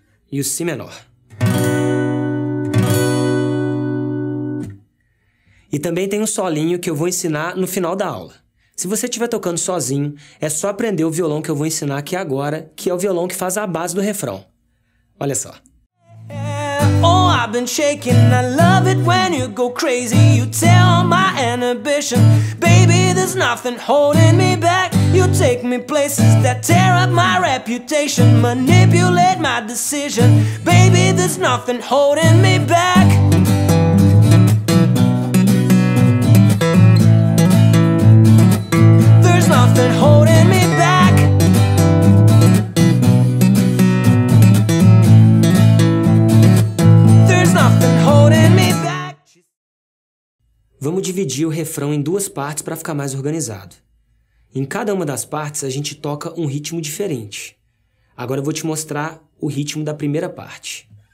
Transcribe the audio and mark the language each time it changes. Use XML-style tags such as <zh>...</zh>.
<pt>e o Si menor. E também tem um solinho que eu vou ensinar no final da aula. Se você estiver tocando sozinho, é só aprender o violão que eu vou ensinar aqui agora, que é o violão que faz a base do refrão. Olha só.</pt> <en>Oh, I've been shaking, I love it when you go crazy. You tear my inhibition. Baby, there's nothing holding me back. You take me places that tear up my reputation. Manipulate my decision. Baby, there's nothing holding me back. Nothing holding me back. There's nothing holding me back.</en> <pt>Vamos dividir o refrão em duas partes para ficar mais organizado. Em cada uma das partes a gente toca um ritmo diferente. Agora eu vou te mostrar o ritmo da primeira parte.</pt>